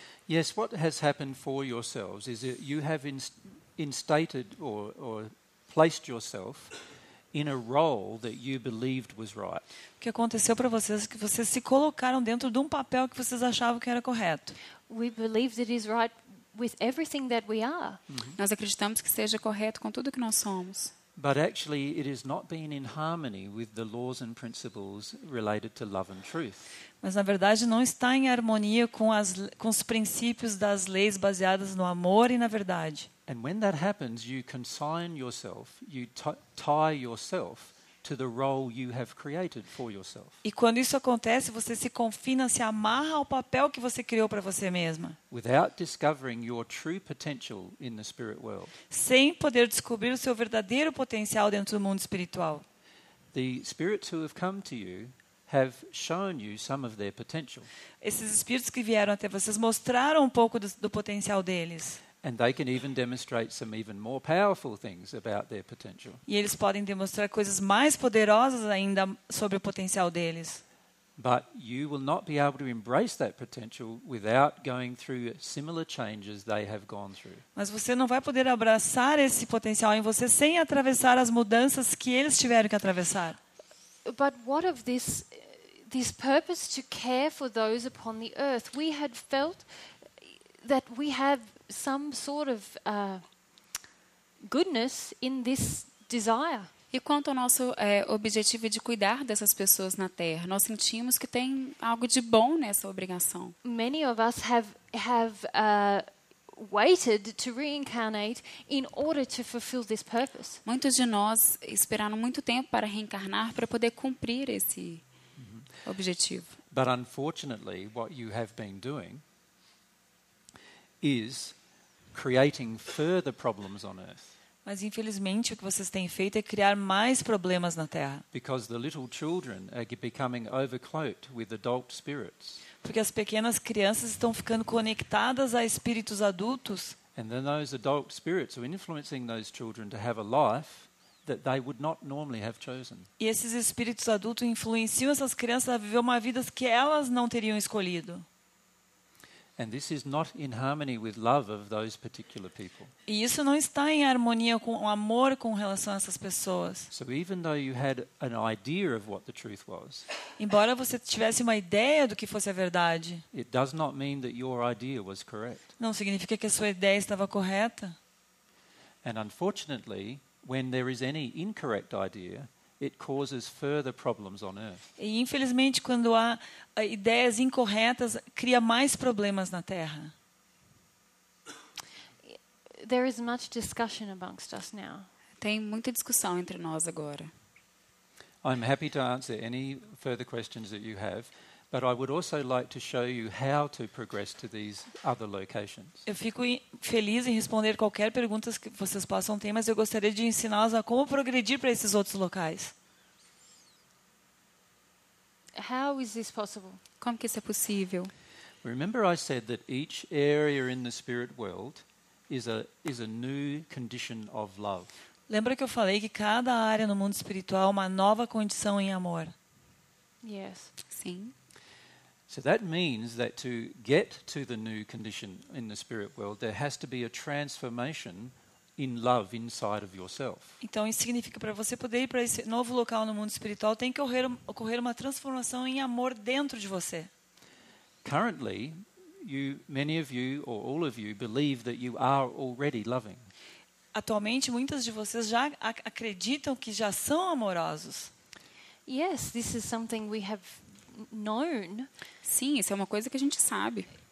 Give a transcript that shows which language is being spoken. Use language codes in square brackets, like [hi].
[en] Yes, what has happened for yourselves is that you have instated or placed yourself in a role that you believed was right. [pt] O que aconteceu para vocês é que vocês se colocaram dentro de um papel que vocês achavam que era correto. [en] We believe that is right with everything that we are. [pt] Nós acreditamos que seja correto com tudo que nós somos. [en] But actually it is not being in harmony with the laws and principles related to love and truth. [pt] Mas na verdade não está em harmonia com os princípios das leis baseadas no amor e na verdade. [en] And when that happens you consign yourself, you tie yourself to the role you have created for yourself. [pt] E quando isso acontece, você se confina, se amarra ao papel que você criou para você mesma. [en] Without discovering your true potential in the spirit world. [pt] Sem poder descobrir o seu verdadeiro potencial dentro do mundo espiritual. [en] The spirits who have come to you have shown you some of their potential. [pt] Esses espíritos que vieram até vocês mostraram um pouco do potencial deles. [en] And they can even demonstrate some even more powerful things about their potential. [pt] E eles podem demonstrar coisas mais poderosas ainda sobre o potencial deles. [en] But you will not be able to embrace that potential without going through similar changes they have gone through. [pt] Mas você não vai poder abraçar esse potencial em você sem atravessar as mudanças que eles tiveram que atravessar. [en] But what of this purpose to care for those upon the earth? We had felt that we have some sort of goodness in this desire. [pt] E quanto ao nosso objetivo de cuidar dessas pessoas na Terra, nós sentimos que tem algo de bom nessa obrigação. [en] Many of us have waited to reincarnate in order to fulfill this purpose. [pt] Muitos de nós esperaram muito tempo para reencarnar para poder cumprir esse objetivo. [en] But unfortunately, what you have been doing is creating further problems on earth. [pt] Mas infelizmente o que vocês têm feito é criar mais problemas na Terra. [en] Because the little children are becoming overcloaked with adult spirits. [pt] Porque as pequenas crianças estão ficando conectadas a espíritos adultos. [en] And then those adult spirits are influencing those children to have a life that they would not normally have chosen. [pt] E esses espíritos adultos influenciam essas crianças a viver uma vida que elas não teriam escolhido. [en] And this is not in harmony with love of those particular people. [pt] E isso não está em harmonia com o amor com relação a essas pessoas. [en] So even though you had an idea of what the truth was. [pt] Embora você tivesse uma ideia do que fosse a verdade. [en] It does not mean that your idea was correct. [pt] Não significa que a sua ideia estava correta. [en] And unfortunately, when there is any incorrect idea, it causes further problems on earth. [pt] E infelizmente quando há ideias incorretas, cria mais problemas na Terra. [en] There is much discussion amongst us now. [pt] Tem muita discussão entre nós agora. [en] I'm happy to answer any further questions that you have, but I would also like to show you how to progress to these other locations. [pt] Eu fico feliz em responder qualquer pergunta que vocês possam ter, mas eu gostaria de ensiná-los a como progredir para esses outros locais. [en] How is this possible? [pt] Como que isso é possível? [en] Remember I said that each area in the spirit world is a new condition of love. [pt] Lembra que eu falei que cada área no mundo espiritual é uma nova condição em amor? [en] Yes. [pt] Sim. [en] So that means that to get to the new condition in the spirit world, there has to be a transformation in love inside of yourself. [pt] Então isso significa para você poder ir para esse novo local no mundo espiritual, tem que ocorrer uma transformação em amor dentro de você. [en] Currently, many of you or all of you believe that you are already loving. [pt] Atualmente, muitas de vocês já acreditam que já são amorosos. [en] Yes, this is something we have known. [pt] Sim, isso é uma coisa que a gente sabe.